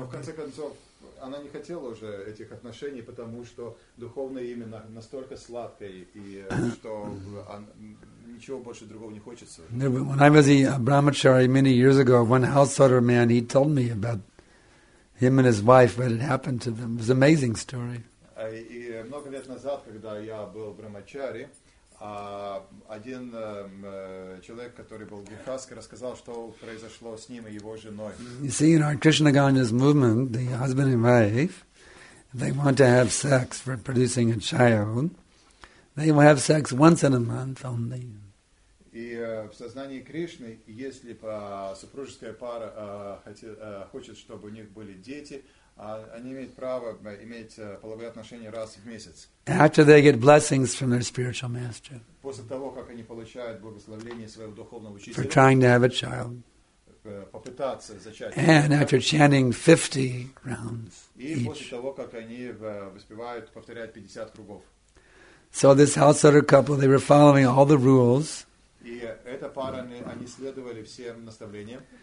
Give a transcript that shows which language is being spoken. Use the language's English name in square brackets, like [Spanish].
[Russian] Но в конце концов, она не хотела уже этих отношений, потому что духовное имя настолько сладкое и что ничего больше другого не хочется. [English] When I was a brahmachari many years ago, one householder man, he told me about him and his wife, what had happened to them. It was an amazing story. [Russian] И много лет назад, когда я был брахмачари, один человек, который был грихаст, рассказал, что произошло с ним и его женой. [English] You see, in our Krishna Ganga's movement, the husband and wife, they want to have sex for producing a child. They will have sex once in a month only. [Russian] И в сознании Кришны, если супружеская пара хочет, чтобы у них были дети, они имеют право иметь половые отношения раз в месяц. [English] After they get blessings from their spiritual master. [Russian] После того, как они получают благословение своего духовного учителя. [English] For trying to have a child. [Russian] Попытаться зачать. [English] And after chanting 50 rounds. [Russian] И после того, как они воспевают, повторяют 50 кругов. [English] So this householder couple, they were following all the rules. [Russian] И эта пара, они следовали всем наставлениям.